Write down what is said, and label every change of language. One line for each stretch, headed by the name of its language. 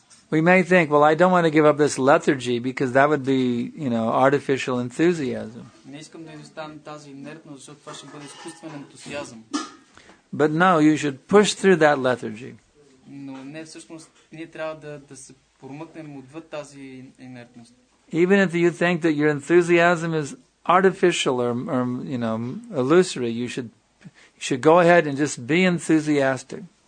English: We may think, well, I don't want to give up this lethargy because that would be, you know, artificial enthusiasm.
Bulgarian: Не искам да изостана тази инертност, защото това ще бъде изкуствен ентусиазъм.
English: But no, you should push through that lethargy.
Bulgarian: Но не, всъщност, ние трябва да се промъкнем отвъд тази инертност.
English: Even if you think that your enthusiasm is artificial or you know, illusory, you should go ahead and just be enthusiastic.